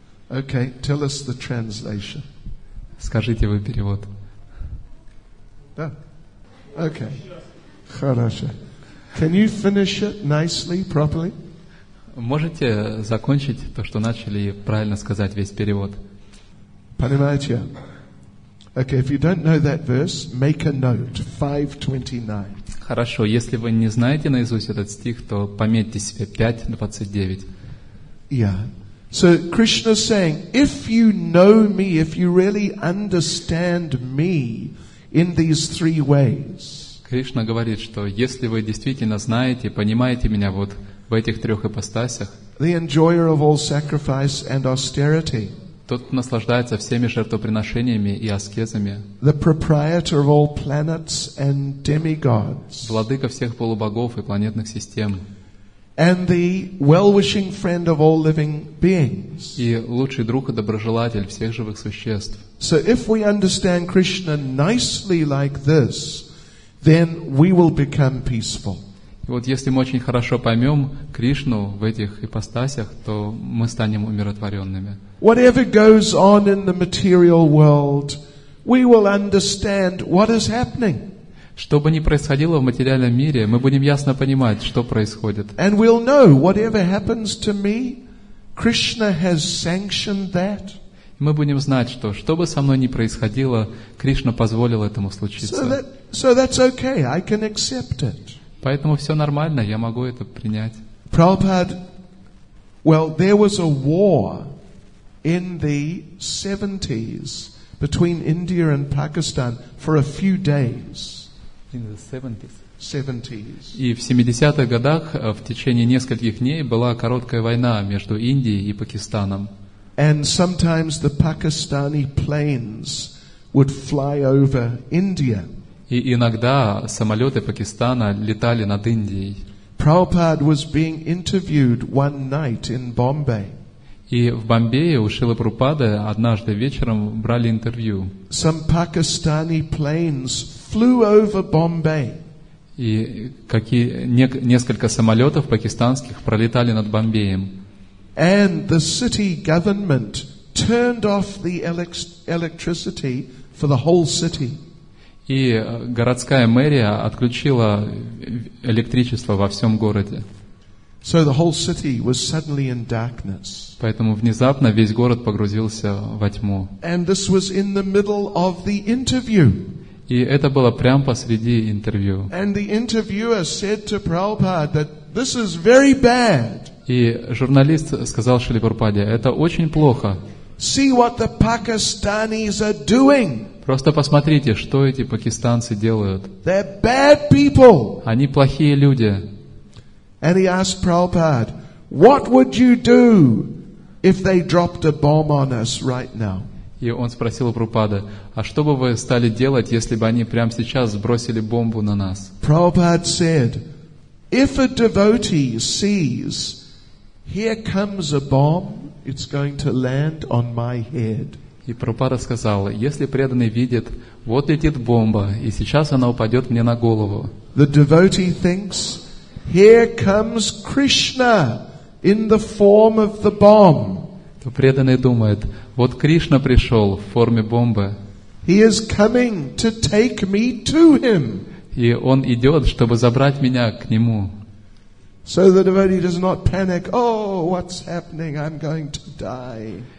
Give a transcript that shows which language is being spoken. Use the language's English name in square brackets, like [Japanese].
[English] Okay, tell us the translation. [Russian] Скажите вы перевод. Да. [English] Okay. [Russian] Хорошо. [English] Can you finish it nicely, properly? [Russian] Можете закончить то, что начали, и правильно сказать весь перевод. Понимаете? [English] Okay, if you don't know that verse, make a note. 5:29. [Russian] Хорошо, если вы не знаете наизусть этот стих, то пометьте себе 5:29. [English] Yeah. So Krishna is saying, if you know me, if you really understand me in these three ways. [Russian] Кришна говорит, что если вы действительно знаете, понимаете меня вот в этих трех ипостасях. [English] The enjoyer of all sacrifice and austerity. [Russian] Тот, кто наслаждается всеми жертвоприношениями и аскезами. [English] The proprietor of all planets and demigods. [Russian] Владыка всех полубогов и планетных систем. [English] And the well-wishing friend of all living beings. [Russian] И лучший друг и доброжелатель всех живых существ. [English] So if we understand Krishna nicely like this, then we will become peaceful. [Russian] И вот если мы очень хорошо поймем Кришну в этих ипостасях, то мы станем умиротворенными. [English] Whatever goes on in the material world, we will understand what is happening. [Russian] Что бы ни происходило в материальном мире, мы будем ясно понимать, что происходит. [English] And we'll know, whatever happens to me, Krishna has sanctioned that. [Russian] Мы будем знать, что бы со мной ни происходило, Кришна позволил этому случиться. [English] So that's okay, I can accept it. [Russian] Поэтому все нормально, я могу это принять. [English] Prabhupada, well, there was a war in the 70s between India and Pakistan for a few days. In the 70s. [Russian] И в 70-х годах в течение нескольких дней была короткая война между Индией и Пакистаном. [English] And sometimes the Pakistani planes would fly over India. [Russian] И иногда самолеты Пакистана летали над Индией. [English] Prabhupada was being interviewed one night in Bombay. [Russian] И в Бомбее у Шрилы Прабхупады однажды вечером брали интервью. [English] Some Pakistani planes flew over Bombay. [Russian] И несколько самолетов пакистанских пролетали над Бомбеем. [English] And the city government turned off the electricity for the whole city. [Russian] И городская мэрия отключила электричество во всем городе. [English] So the whole city was suddenly in darkness. [Russian] Поэтому внезапно весь город погрузился во тьму. [English] And this was in the middle of the interview. [Russian] И это было прямо посреди интервью. [English] And the interviewer said to Prabhupada that this is very bad. [Russian] И журналист сказал Шриле Прабхупаде: это очень плохо. [English] See what the Pakistanis are doing. [Russian] Просто посмотрите, что эти пакистанцы делают. [English] They're bad people. [Russian] Они плохие люди. [English] And he asked Prabhupada, what would you do if they dropped a bomb on us right now? [Russian] И он спросил у Прабхупады, а что бы вы стали делать, если бы они прямо сейчас сбросили бомбу на нас? [English] Prabhupada said, if a devotee sees, here comes a bomb, it's going to land on my head. [Russian] И Прабхупада сказал, если преданный видит, вот летит бомба, и сейчас она упадет мне на голову. [English] The devotee thinks, here comes Krishna in the form of the bomb. [Russian] То преданный думает, вот Кришна пришел в форме бомбы. [English] He is coming to take me to him. [Russian] И он идет, чтобы забрать меня к нему. [English] So the devotee does not panic. Oh, what's happening? I'm going to die.